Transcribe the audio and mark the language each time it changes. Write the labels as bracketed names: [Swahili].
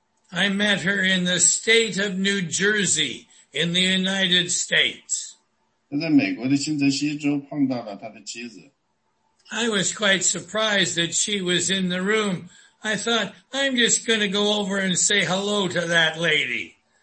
[English] I met her in the state of New Jersey in the United States. [Chinese] 他在美国的新泽西州碰到了他的妻子。 [English] I was quite surprised that she was in the room. I thought, I'm just going to go over and say hello to that lady.